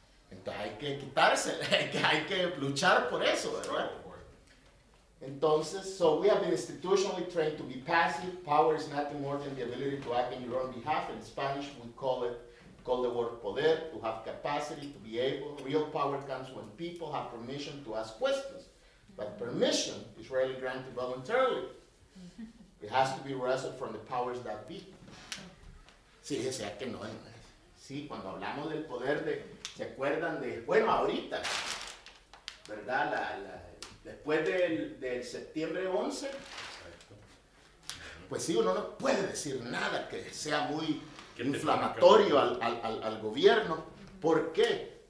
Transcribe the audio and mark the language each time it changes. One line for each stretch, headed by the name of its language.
Spanish: Entonces hay que quitárselo, hay que luchar por eso, ¿verdad?
English: Entonces, so we have been institutionally trained to be passive. Power is nothing more than the ability to act on your own behalf. In Spanish, we call the word poder, to have capacity, to be able. Real power comes when people have permission to ask questions. But permission is rarely granted voluntarily. It has to be wrested from the powers that be.
Spanish: Sí, o sea que no. Sí, cuando hablamos del poder de, ¿se acuerdan de, bueno, ahorita, ¿verdad? Después del septiembre 11, pues sí, uno no puede decir nada que sea muy inflamatorio al gobierno. ¿Por qué?